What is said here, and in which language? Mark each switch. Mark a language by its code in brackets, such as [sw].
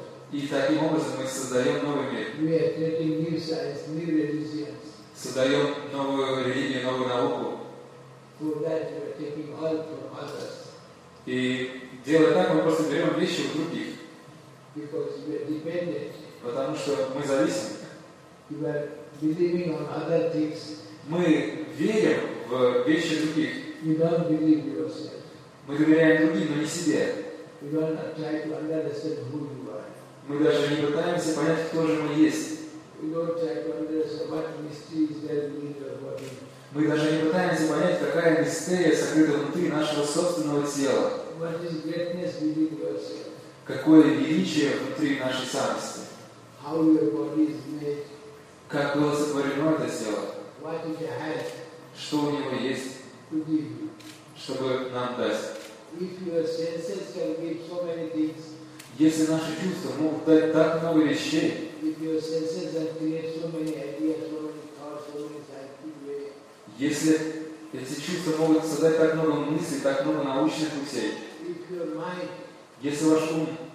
[ru] И таким образом мы создаем новый мир. [en] Science, [ru] создаем новую религию, новую науку. [en] For that, we are taking all from others. [ru] И делая так, мы просто берем вещи у других. [en] Because we are dependent. [ru] Потому что мы зависим. [en] You are believing on other things. [ru] Мы верим в вещи других. [en] You don't believe yourself. [ru] Мы доверяем другим, но не себе. [en] We don't try to understand who you are. [ru] Мы даже не пытаемся понять, кто же мы есть. [en] We don't try to understand what mystery is there in your body. [ru] Мы даже не пытаемся понять, какая мистерия сокрыта внутри нашего собственного тела. [en] What is greatness within yourself? [ru] Какое величие внутри нашей самости? [en] How your body is made? [ru] Как было сотворено это тело? [en] What is your heart? [ru] Что у него есть? [en] To give you. [ru] Чтобы нам дать. [en] If your senses can give so many things. [ru] Если наши чувства могут дать так много вещей. [en] If your senses can create so many ideas, so many thoughts, so many scientific. [ru] Если эти чувства могут создать так много мыслей, так много научных путей. [en] If your mind. [ru] Если ваш ум